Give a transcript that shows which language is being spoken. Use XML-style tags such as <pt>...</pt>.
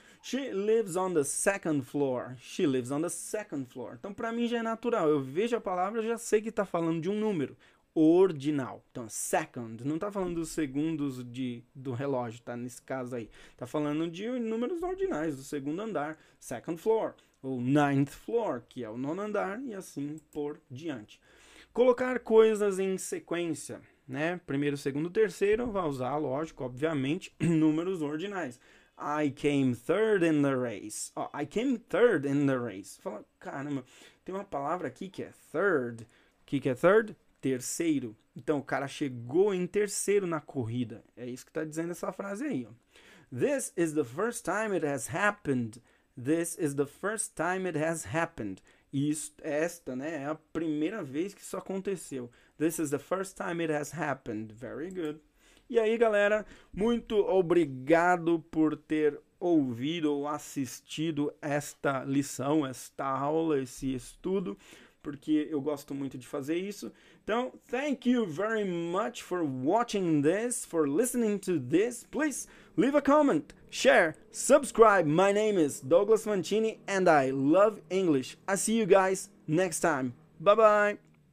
<en>She lives on the second floor. She lives on the second floor.</en> <pt>Então, para mim já é natural. Eu vejo a palavra, já sei que está falando de um número. Ordinal. Então, second. Não está falando dos segundos do relógio, tá? Nesse caso aí. Está falando de números ordinais, do segundo andar. Second floor. Ou ninth floor, que é o nono andar, e assim por diante. Colocar coisas em sequência, né? Primeiro, segundo, terceiro, vai usar, lógico, obviamente, números ordinais.</pt> <en>I came third in the race. Oh, I came third in the race.</en> <pt>Fala, caramba, tem uma palavra aqui que é third. Que é third? Terceiro. Então, o cara chegou em terceiro na corrida. É isso que está dizendo essa frase aí, ó.</pt> <en>This is the first time it has happened. This is the first time it has happened.</en> <pt>Isso, esta, né, é a primeira vez que isso aconteceu.</pt> <en>This is the first time it has happened. Very good.</en> <pt>E aí, galera, muito obrigado por ter ouvido ou assistido esta lição, esta aula, esse estudo, porque eu gosto muito de fazer isso.</pt> <en>Então, thank you very much for watching this, for listening to this. Please leave a comment, share, subscribe. My name is Douglas Mancini and I love English. I see you guys next time. Bye bye.</en>